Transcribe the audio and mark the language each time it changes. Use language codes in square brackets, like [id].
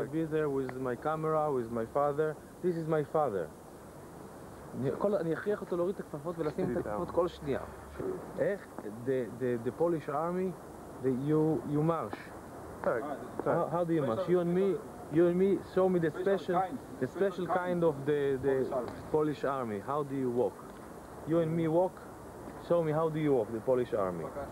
[en] I'll be there with my camera, with my father. This is my father. [he] אני אכריח אותו להוריד את הכפפות ולשים את הכפפות כל שנייה. איך? [en] The Polish army, you march. [pl] Tak. [en] How do you march? You and me? you and me show me the special kind of the Polish army. How do you walk? You and me walk. Show me how do you walk the Polish army.